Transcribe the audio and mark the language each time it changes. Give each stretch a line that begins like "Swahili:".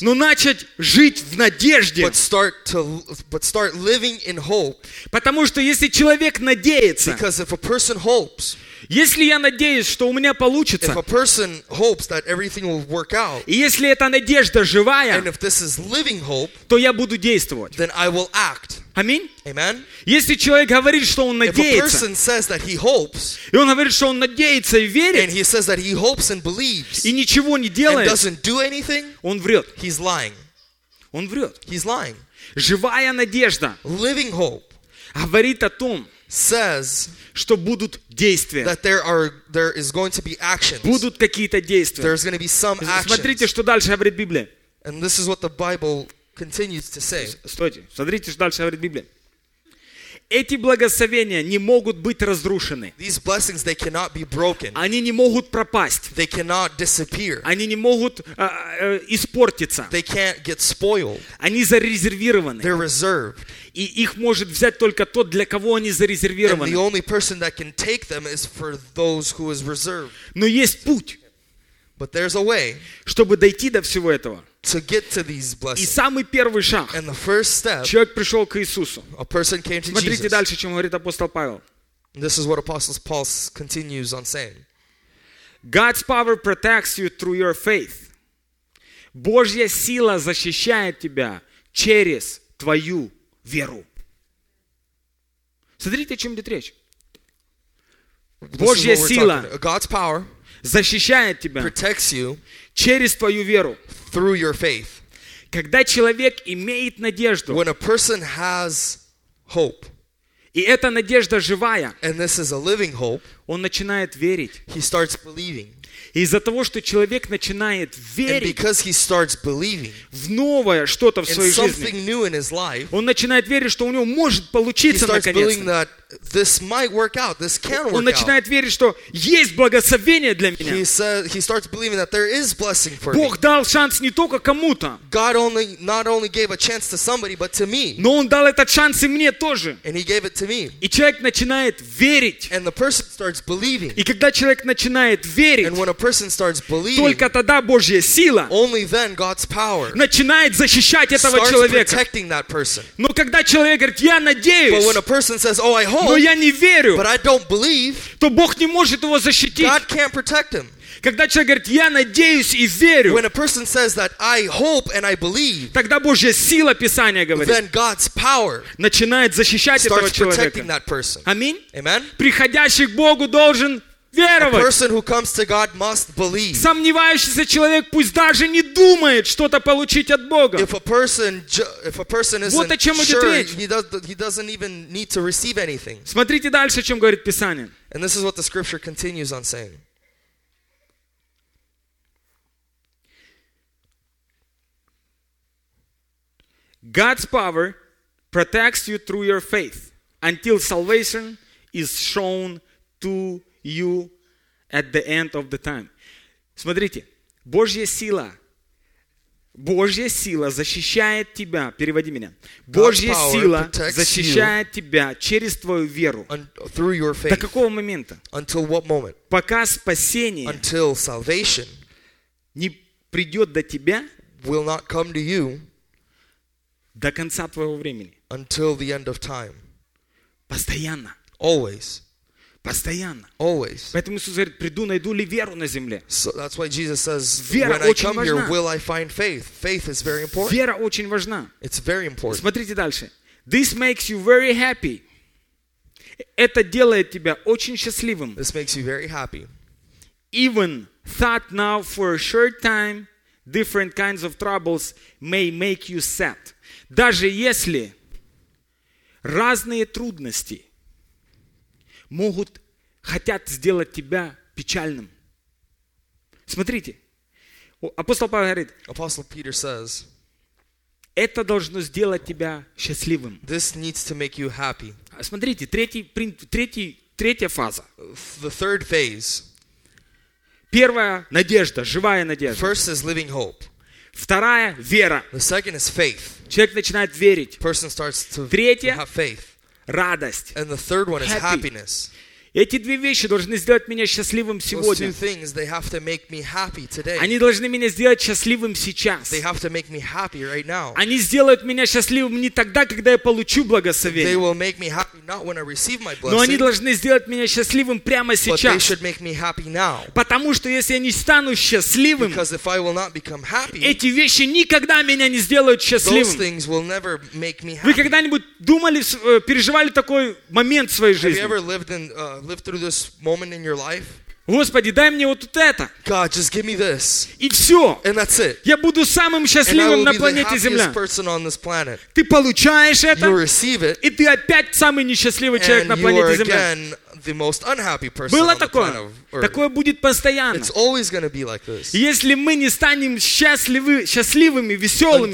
Russian: но начать жить в надежде.
English: But start living in hope.
Russian: Потому что если человек надеется,
English: Because if a person hopes,
Russian: если я надеюсь, что у меня получится,
English: if a person hopes that everything will work out,
Russian: и если эта надежда живая,
English: and if this is living hope,
Russian: то я буду действовать.
English: Then I will act.
Russian: Аминь.
English: Amen.
Russian: Если человек говорит, что он надеется,
English: if a person says that he hopes,
Russian: и он говорит, что он надеется и верит,
English: and he says that he hopes and believes,
Russian: и ничего не делает,
English: and doesn't do anything,
Russian: он врет.
English: He's lying.
Russian: Он врет.
English: He's lying.
Russian: Живая надежда,
English: living hope,
Russian: говорит о том,
English: says,
Russian: что будут действия.
English: That there is going to be actions.
Russian: Будут какие-то действия.
English: There's going to be some actions.
Russian: Смотрите, что дальше говорит Библия.
English: And this is what the Bible continues to say.
Russian: Стойте. Смотрите, что дальше говорит Библия. Эти благословения не могут быть разрушены.
English: These blessings, they cannot be broken.
Russian: Они не могут пропасть.
English: They cannot disappear.
Russian: Они не могут испортиться.
English: They can't get spoiled.
Russian: Они зарезервированы.
English: They're reserved.
Russian: И их может взять только тот, для кого они зарезервированы.
English: And the only person that can take them is for those who is reserved.
Russian: Но есть путь.
English: But there's a way.
Russian: Чтобы дойти до всего этого.
English: To get to these blessings.
Russian: И самый первый шаг.
English: And the first step.
Russian: Человек пришел к Иисусу.
English: A person came to
Russian: Смотрите дальше, чем говорит апостол Павел.
English: This is what Apostle Paul continues on saying. God's power protects you through your faith.
Russian: Божья сила защищает тебя через твою веру. Смотрите, о чем идет речь. Божья сила.
English: God's power.
Russian: Защищает тебя.
English: Protects you.
Russian: Через твою веру.
English: Through your faith.
Russian: Когда человек имеет надежду.
English: When a person has hope.
Russian: И эта надежда живая.
English: And this is a living hope.
Russian: Он начинает верить.
English: He starts believing.
Russian: И из-за того, что человек начинает верить.
English: And because he starts believing.
Russian: В новое что-то в своей жизни.
English: In something new in his life.
Russian: Он начинает верить, что у него может получиться наконец-то.
English: He starts believing that this might work out. This can work out.
Russian: Он начинает верить, что есть благословение для меня.
English: He starts believing that there is blessing for me.
Russian: Бог дал шанс не только кому-то.
English: God not only gave a chance to somebody, but to me.
Russian: Но он дал этот шанс и мне тоже.
English: And he gave it to me.
Russian: И человек начинает верить.
English: And the person starts believing.
Russian: И когда человек начинает верить,
English: and when a person starts believing,
Russian: только тогда Божья сила,
English: only then God's power,
Russian: начинает защищать этого человека.
English: Starts protecting that person.
Russian: Но когда человек говорит, я надеюсь,
English: but when a person says, oh, I hope,
Russian: но я не верю,
English: but I don't believe,
Russian: то Бог не может его защитить.
English: God can't protect him.
Russian: Когда человек говорит, я надеюсь и верю,
English: when a person says that I hope and I believe,
Russian: тогда Божья сила, Писание говорит,
English: then God's power
Russian: начинает защищать
English: starts
Russian: этого человека.
English: Protecting that person.
Russian: Аминь.
English: Amen?
Russian: Приходящий к Богу должен веровать.
English: A person who comes to God must believe.
Russian: Сомневающийся человек пусть даже не думает что-то получить от Бога.
English: If a person isn't
Russian: вот о чем
English: sure,
Russian: идет речь.
English: He doesn't even need to receive anything.
Russian: Смотрите дальше, о чем говорит Писание.
English: And this is what the scripture continues on saying. God's power protects you through your faith until salvation is shown to you at the end of the time.
Russian: Смотрите, Божья сила защищает тебя, переводи меня, Божья сила защищает тебя через твою веру.
English: Through your faith.
Russian: До какого момента?
English: Until what moment?
Russian: Пока спасение
English: until salvation
Russian: не придет до тебя
English: will not come to you
Russian: до конца твоего времени.
English: Until the end of time.
Russian: Постоянно.
English: Always.
Russian: Постоянно.
English: Always.
Russian: Поэтому Иисус говорит, приду, найду ли веру на земле.
English: So that's why Jesus says,
Russian: вера
English: when I come
Russian: важна.
English: Here, will I find faith? Faith is very important.
Russian: Вера очень важна.
English: It's very important.
Russian: Смотрите дальше.
English: This makes you very happy.
Russian: Это делает тебя очень счастливым.
English: This makes you very happy. Even thought now for a short time, different kinds of troubles may make you sad.
Russian: Даже если разные трудности могут, хотят сделать тебя печальным. Смотрите. Апостол Павел говорит,
English: Apostle Peter says,
Russian: это должно сделать тебя счастливым.
English: This needs to make you happy.
Russian: Смотрите, третья фаза.
English: The third phase.
Russian: Первая – надежда, живая надежда.
English: First is living hope.
Russian: Вторая – вера.
English: The second is faith.
Russian: Человек начинает верить.
English: Person starts to
Russian: третья
English: – have faith.
Russian: Радость.
English: And the third one is happy. Happiness.
Russian: Эти две вещи должны сделать меня счастливым сегодня.
English: Those two things, they have to make me happy today.
Russian: Они должны меня сделать счастливым сейчас.
English: They have to make me happy right now.
Russian: Они сделают меня счастливым не тогда, когда я получу благословение.
English: They will make me happy not when I receive my blessing.
Russian: Но они должны сделать меня счастливым прямо сейчас.
English: But they should make me happy now.
Russian: Потому что если я не стану счастливым,
English: because if I will not become happy,
Russian: эти вещи никогда меня не сделают счастливым.
English: Those things will never make me happy.
Russian: Вы когда-нибудь думали, переживали такой момент в своей жизни?
English: Have you ever lived in live through this moment in your life?
Russian: Господи, дай мне вот тут это.
English: God, just give me this.
Russian: И все.
English: And that's it.
Russian: Я буду самым счастливым на планете Земля.
English: And I will be the happiest person on this planet.
Russian: Ты получаешь это.
English: You receive it.
Russian: И ты опять самый несчастливый человек на планете Земля.
English: And you are again the most unhappy person
Russian: было
English: on
Russian: такое,
English: the planet of Earth.
Russian: Такое будет постоянно.
English: It's always going to be like this.
Russian: Если мы не станем счастливыми, веселыми